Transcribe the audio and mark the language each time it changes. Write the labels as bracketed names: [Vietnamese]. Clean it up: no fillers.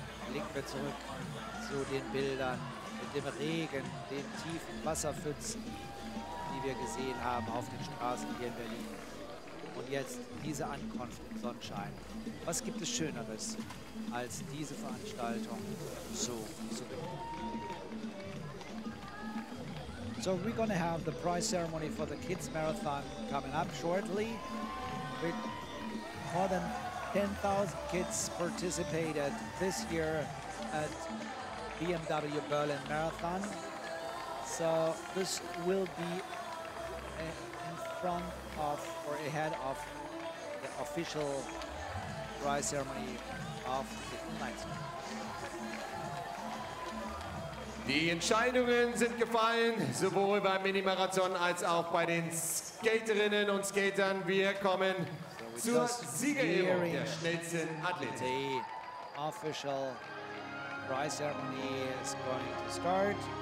[German] Blicken wir zurück zu den Bildern mit dem Regen, den tiefen Wasserpfützen, die wir gesehen haben auf den Straßen hier in Berlin. Und jetzt diese Ankunft im Sonnenschein. Was gibt es Schöneres, als diese Veranstaltung so zu beginnen? [English] So we're gonna have the prize ceremony for the Kids Marathon coming up shortly. With more than 10,000 kids participated this year at BMW Berlin Marathon. So this will be in front of or ahead of the official prize ceremony of the night. [German] Die Entscheidungen sind gefallen, sowohl beim Mini-Marathon als auch bei den Skaterinnen und Skatern. Wir kommen zur Siegerehrung der schnellsten Athletin. [English] The official prize ceremony is going to start.